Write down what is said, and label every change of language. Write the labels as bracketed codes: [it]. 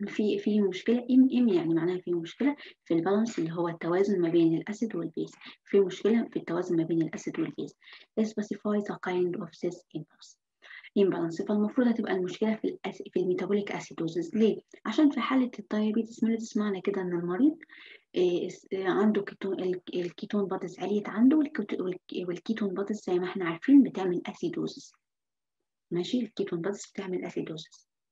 [ar] في مشكله ام يعني معناها في مشكله في البالانس اللي هو التوازن ما بين الاسيد والبيز، في مشكله في التوازن ما بين الاسيد والبيز. [en] this specifies a kind of cyst imbalance. [ar] فالمفروض هتبقى المشكله في الميتابوليك اسيدوزز. ليه؟ عشان في حاله الدايابيتس ميليتس معنى كده ان المريض عنده كيتون، الكيتون بادز عالية عنده، والكيتون بادز زي ما احنا عارفين بتعمل اسيدوزس. ماشي، الكيتون بادز بتعمل اسيدوزس.